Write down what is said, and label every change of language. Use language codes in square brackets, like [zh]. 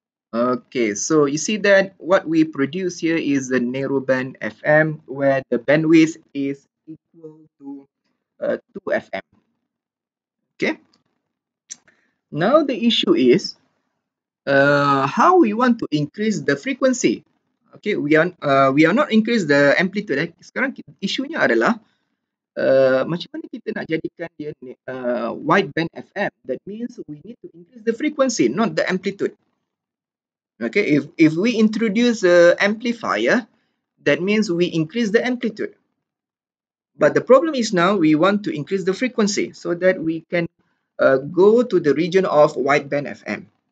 [en] Okay, so you see that what we produce here is the narrowband FM, where the bandwidth is equal to 2 FM. Okay, now the issue is how we want to increase the frequency. Okay, we are not increase the amplitude. Eh? [ms] Sekarang isunya adalah macam mana kita nak jadikan dia wideband FM. [en] That means we need to increase the frequency, not the amplitude. Okay, if we introduce an amplifier, that means we increase the amplitude. But the problem is now we want to increase the frequency so that we can go to the region of wideband FM.